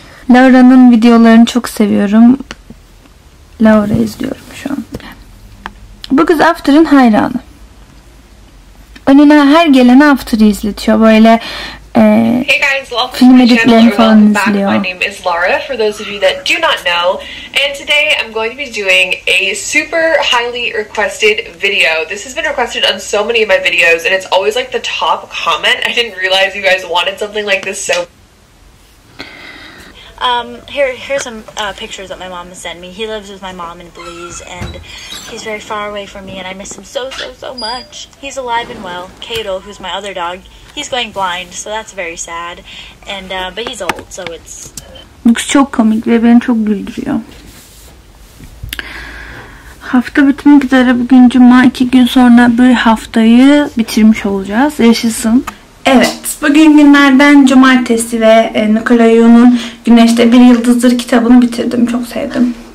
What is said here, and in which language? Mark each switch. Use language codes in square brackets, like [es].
[tr] Laura'nın videolarını çok seviyorum. Laura izliyorum şu an. Bu kız After'ın hayranı. Önüne her gelene After'ı izletiyor. Böyle [en] hey guys, welcome [tr] film editlerini falan izliyor. [en] My name is Laura, for those of you that do not know. And today I'm going to be doing a super highly requested video. This has been requested on so many of my videos and it's always like the top comment. I didn't realize you guys wanted something like this so... Here's some pictures that my mom has sent me. He lives with my mom in Belize, and he's very far away from me, and I miss him so much. He's alive and well. Cato, who's my other dog, he's going blind, so that's very sad. And but he's old, so it's... [tr] Looks çok komik ve beni çok güldürüyor. Hafta bitmek üzere. Bugün cuma, 2 gün sonra bir haftayı bitirmiş olacağız. Yaşasın. Evet, bugün günlerden cumartesi ve Nicola Yu'nun Güneşte Bir Yıldızdır kitabını bitirdim. Çok sevdim.